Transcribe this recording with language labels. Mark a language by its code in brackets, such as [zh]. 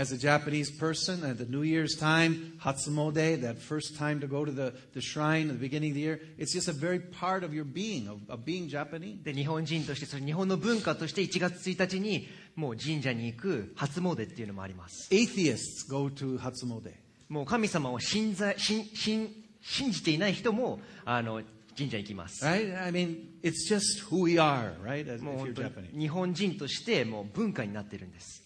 [en] As a Japanese person, at the New Year's time, Hatsumode, that first time to go to the shrine at the beginning of the year, it's just a very part of your being, of being Japanese. [ja] で、日本人として、その日本の文化として1月1日にもう神社に行く初詣っていうのもあります。 [en] Atheists go to Hatsumode. [ja] もう神様を信じていない人も神社に行きます。 [en] Right? I mean, it's just who we are, right? As if you're Japanese. [ja] 日本人としてもう文化になっているんです。